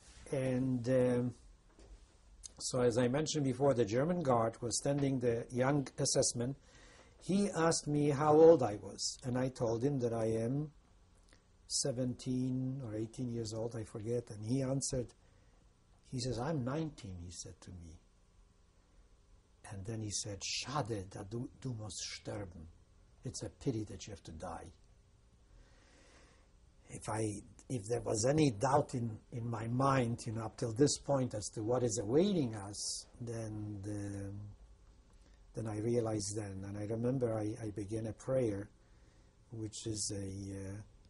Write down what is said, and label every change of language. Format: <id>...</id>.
<en>And so, as I mentioned before, the German guard was standing, the young SS man. He asked me how old I was, and I told him that I am 17 or 18 years old, I forget, and he answered, he says, I'm 19, he said to me.</en> <de>And then he said, Schade, dass du musst sterben.</de> <en>It's a pity that you have to die. If there was any doubt in my mind, you know, up till this point as to what is awaiting us, then I realized then, and I remember I began a prayer, which is a...</en>